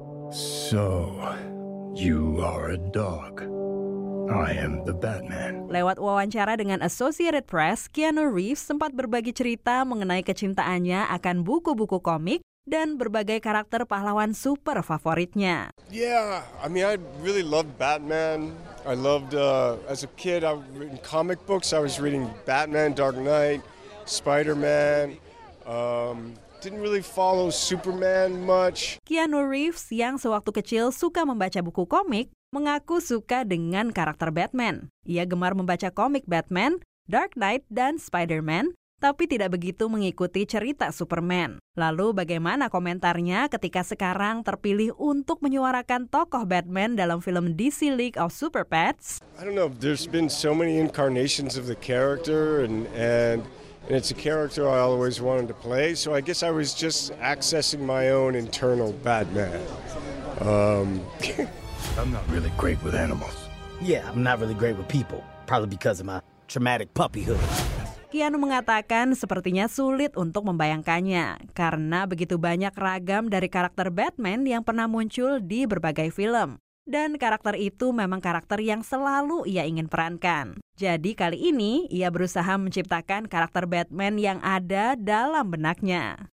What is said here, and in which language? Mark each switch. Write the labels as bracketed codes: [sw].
[en] So, you are a dog. I am the Batman. [id] Lewat wawancara dengan Associated Press, Keanu Reeves sempat berbagi cerita mengenai kecintaannya akan buku-buku komik dan berbagai karakter pahlawan super favoritnya. [en] Yeah, I mean I really loved Batman. I loved as a kid I've written comic books. I was reading Batman, Dark Knight, Spider-Man. Didn't really follow Superman much. [id] Keanu Reeves yang sewaktu kecil suka membaca buku komik mengaku suka dengan karakter Batman. Ia gemar membaca komik Batman, Dark Knight, dan Spider-Man, tapi tidak begitu mengikuti cerita Superman. Lalu bagaimana komentarnya ketika sekarang terpilih untuk menyuarakan tokoh Batman dalam film DC League of Super Pets? [en] I don't know. There's been so many incarnations of the character and it's a character I always wanted to play, so I guess I was just accessing my own internal Batman. I'm not really great with animals. Yeah, I'm not really great with people, probably because of my traumatic puppyhood. [id] Keanu mengatakan sepertinya sulit untuk membayangkannya, karena begitu banyak ragam dari karakter Batman yang pernah muncul di berbagai film. Dan karakter itu memang karakter yang selalu ia ingin perankan. Jadi kali ini, ia berusaha menciptakan karakter Batman yang ada dalam benaknya.